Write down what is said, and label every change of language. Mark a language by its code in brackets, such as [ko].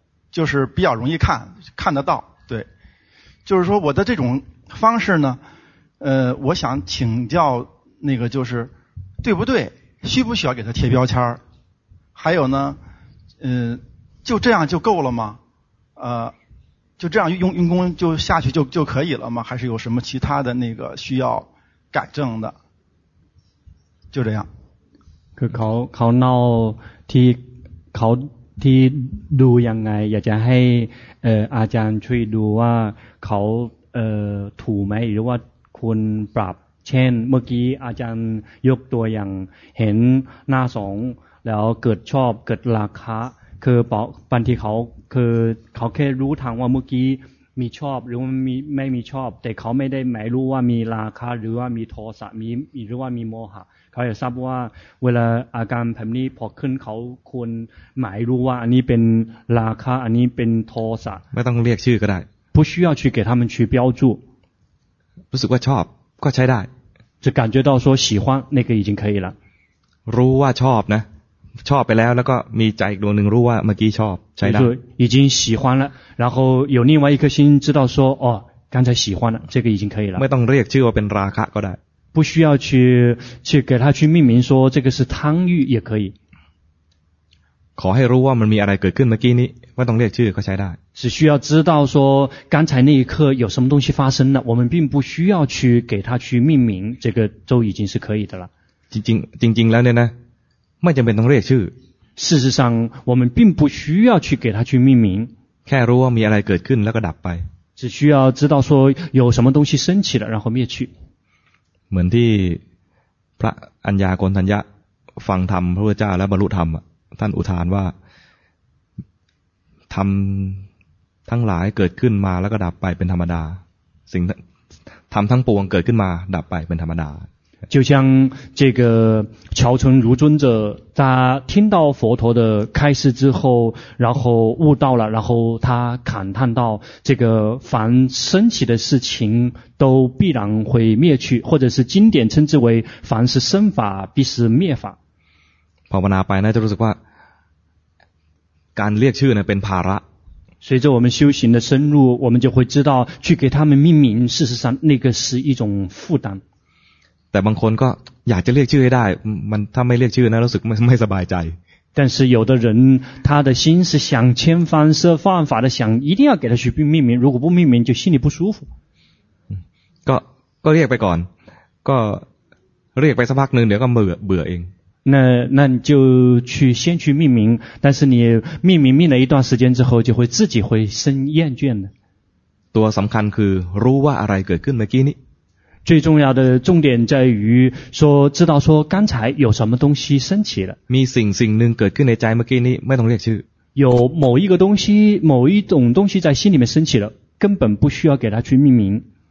[zh] 就是比较容易看得到对就是说我的这种方式呢我想请教那个就是对不对需不需要给他贴标签还有呢就这样就够了吗就这样用功就下去就可以了吗还是有什么其他的那个需要改正的就这样 [th] คือเขาเล่าที่เขาที่ดูยังไงอยากจะให้อาจารย์ช่วยดูว่าเขาถูกไหมหรือว่าควรปรับเช่นเมื่อกี้อาจารย์ยกตัวอย่างเห็นหน้าสองแล้วเกิดชอบเกิดราคะคือบางทีเขา แค่รู้ทางว่าเมื่อกี้มีชอบหรือว่ามีไม่มีชอบแต่เขาไม่ได้หมายรู้ว่ามีราคะหรือว่ามีโทสะมีหรือว่ามีโมหะเขาอยากทราบว่าเวลาอาการแบบนี้พอขึ้นเขาควรหมายรู้ว่าอันนี้เป็นราคะอันนี้เป็นโทสะ ไม่ต้องเรียกชื่อก็ได้ [zh] 不需要去给他们去标注 [th] รู้สึกว่าชอบก็ใช้ได้ [zh] 就感觉到说喜欢那个已经可以了 [th] รู้ว่าชอบนะชอบไปแล้วแล้วก็มีใจอีกดวงนึงรู้ว่าเมื่อกี้ชอบใช่แล้ว [zh] 已经喜欢了然后有另外一颗心知道说哦刚才喜欢了这个已经可以了 [th] ไม่ต้องเรียกชื่อว่าเป็นราคะก็ได้ [zh] 不需要去给他去命名说这个是贪欲也可以 [th] ขอให้รู้ว่ามันมีอะไรเกิดขึ้นเมื่อกี้นี้ ไม่ต้องเรียกชื่อก็ใช้ได้ [zh] 只需要知道说刚才那一刻有什么东西发生了我们并不需要去给它去命名这个就已经是可以的了 [th] จริงจริงจริงแล้วเนี่ยนะไม่จำเป็นต้องเรียกชื่ [zh] อ事实上我们并不需要去给它去命名 [th] แค่รู้ว่ามีอะไรเกิดขึ้นแล้วก็ดับไป [zh] 只需要知道说有什么东西升起了然后灭去 [th] เหมือนที่พระอัญญาโกณฑัญญะฟังธรรมพระพุทธเจ้าและบรรลุธรรมท่านอุทานว่าธรรมทั้งหลายเกิดขึ้นมาแล้วก็ดับไปเป็นธรรมดาสิ่งธรรมทั้งปวงเกิดขึ้นมาดับไปเป็นธรรมดา [zh] 就像这个乔成如尊者他听到佛陀的开示之后然后悟到了然后他感叹到这个凡升起的事情都必然会灭去或者是经典称之为凡是生法必是灭法 [th] ภาวนาไปนะจะรู้สึกว่าการเรียกชื่อเนี่ยเป็นภาระ [zh] 随着我们修行的深入我们就会知道去给他们命名事实上那个是一种负担 [th] แต่บางคนก็อยากจะเรียกชื่อให้ได้มันถ้าไม่เรียกชื่อนะรู้สึกไม่สบายใจ [zh] 但是有的人他的心是想千方设方法的想一定要给他去命名如果不命名就心里不舒服 [th] ก็เรียกไปก่อนก็เรียกไปสักพักนึงเดี๋ยวก็เบื่อเอง [zh] นั่น就去先去命名但是你命名命了一段时间之后就会自己会生厌倦的 [th] ตัวสำคัญคือรู้ว่าอะไรเกิดขึ้นเมื่อกี้นี้ [zh] 最重要的重点在于说知道说刚才有什么东西升起了 [th] มีสิ่งหนึ่งเกิดขึ้นในใจเมื่อกี้นี้ไม่ต้องเรียกชื่อ [zh] 有某一个东西某一种东西在心里面升起了根本不需要给它去命名